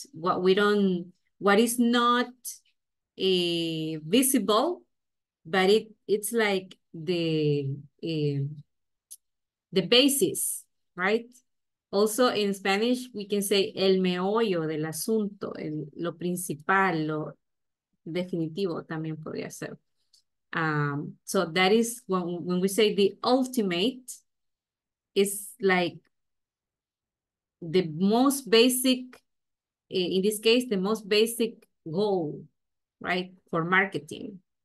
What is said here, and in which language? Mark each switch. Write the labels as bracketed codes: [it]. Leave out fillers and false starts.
[en] What is not visible, but it's like the basis, right? Also in Spanish, we can say [es] el meollo del asunto, lo principal, lo definitivo también podría ser. [en] So that is when we say the ultimate is like the most basic, in this case, the most basic goal, right, for marketing.